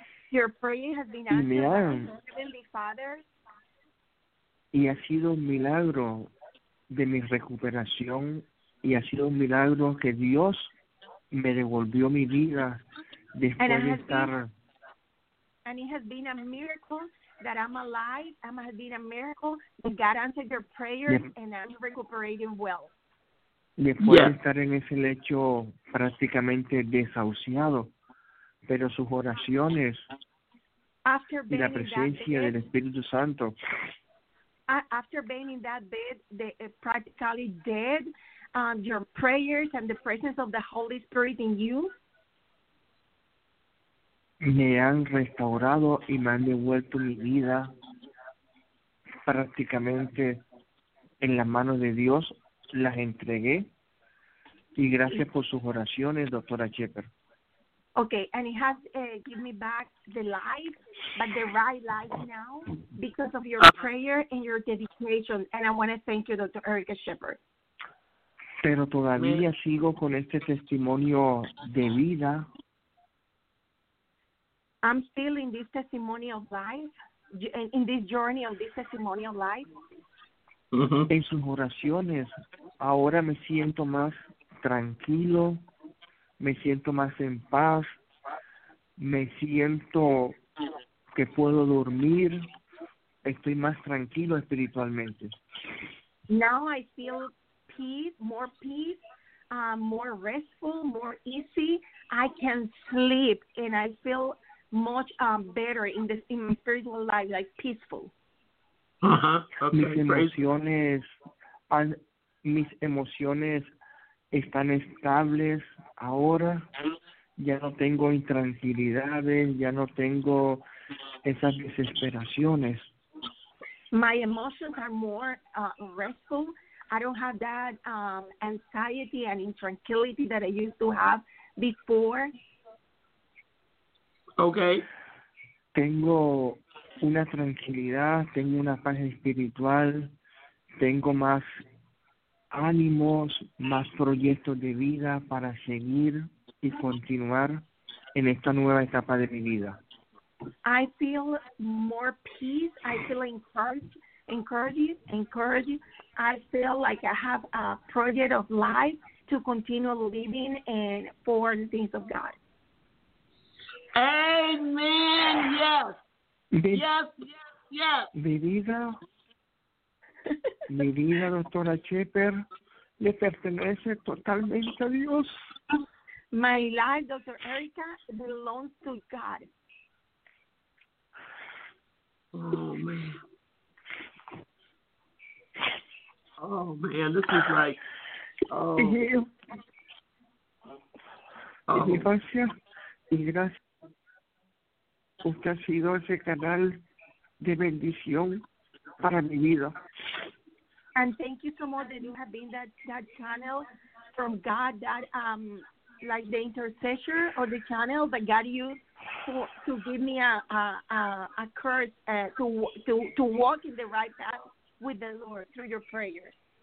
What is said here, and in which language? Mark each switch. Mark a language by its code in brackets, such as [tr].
[en] Your prayer has been answered by the Heavenly Father. [es] Y ha sido un milagro de mi recuperación, y ha sido un milagro que Dios me devolvió mi vida después de estar. [en] And it has been a miracle that I'm alive. It has been a miracle that God answered your prayers and I'm recuperating well. [es] Después de estar en ese lecho prácticamente desahuciado, pero sus oraciones y la presencia del Espíritu Santo. [en] After being in that bed, practically dead. Your prayers and the presence of the Holy Spirit in you. [es] Me han restaurado y me han devuelto mi vida prácticamente en las manos de Dios. Las entregué. Y gracias por sus oraciones, doctora Chepper. [en] Okay, and he has give me back the life, but the right life now because of your prayer and your dedication. And I want to thank you, Dr. Erica Shepherd. [es] Pero todavía sigo con este testimonio de vida. [en] I'm still in this testimony of life, in this journey of this testimony of life. Uh-huh. [es] En sus oraciones, ahora me siento más tranquilo, me siento más en paz, me siento que puedo dormir, estoy más tranquilo espiritualmente. [en] Now I feel peace, more restful, more easy. I can sleep and I feel much better in this in my spiritual life, like peaceful. Uh-huh. Okay. [es] Mis emociones están estables ahora. Ya no tengo intranquilidades, ya no tengo esas desesperaciones. [en] My emotions are more restful. I don't have that anxiety and intranquility that I used to have before. Okay. [es] Tengo una tranquilidad, tengo una paz espiritual, tengo más ánimos, más proyectos de vida para seguir y continuar en esta nueva etapa de mi vida. [en] I feel more peace. I feel encouraged. I feel like I have a project of life to continue living and for the things of God. Amen. Yes. Yes. [es] Mi vida, doctora Shepper, le pertenece totalmente a Dios. [en] My life, Dr. Erica, belongs to God. Oh, man, this is like, [es] Gracias. Usted ha sido ese canal de bendición para mi vida. [en] And thank you so much that you have been that channel from God, that like the intercessor or the channel that God used to give me a curse to walk in the right path with the Lord through your prayers.